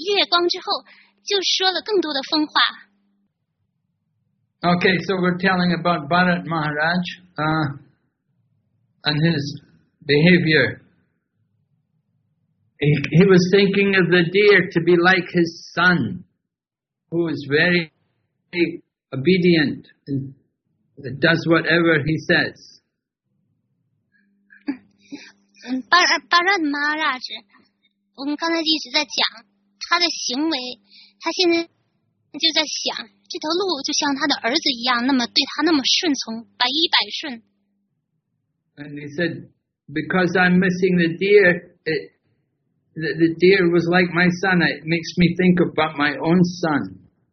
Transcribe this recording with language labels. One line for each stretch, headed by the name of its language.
Chinese: 当巴拉的玛拉看到月光之后，就说了更多的疯话。
English: Okay, so we're telling about Bharat Maharaj and his behavior. He was thinking of the deer to be like his son, who is very, very obedient and does whatever he says.
Chinese: Bharat Maharaj, 我们刚才一直在讲他的行为，他现在就在想。这头鹿就像他的儿子一样，那么对他那么顺从，百依百顺。
English: And he said, because I'm missing the deer, the deer was like my son. It makes me think about my own son.